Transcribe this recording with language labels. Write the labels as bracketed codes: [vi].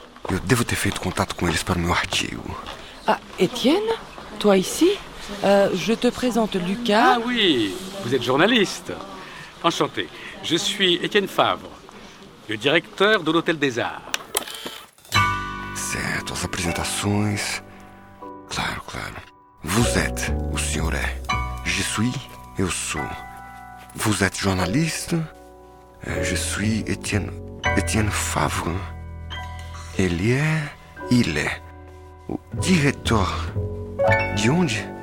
[pt] Eu devo ter feito contato com eles para o meu artigo. [fr] Ah, Étienne, toi ici? Je te présente Lucas. Ah oui, vous êtes journaliste. Enchanté. Je suis Étienne Favre, le directeur de l'Hôtel des Arts. [pt] Certo, as apresentações. Claro, claro. [fr] Vous êtes, [pt] o senhor é. [fr] Je suis, [pt] eu sou. [fr] Vous êtes journaliste. Je suis Étienne Favre. [pt] Ele é, [fr] il est. [pt] O diretor. De onde?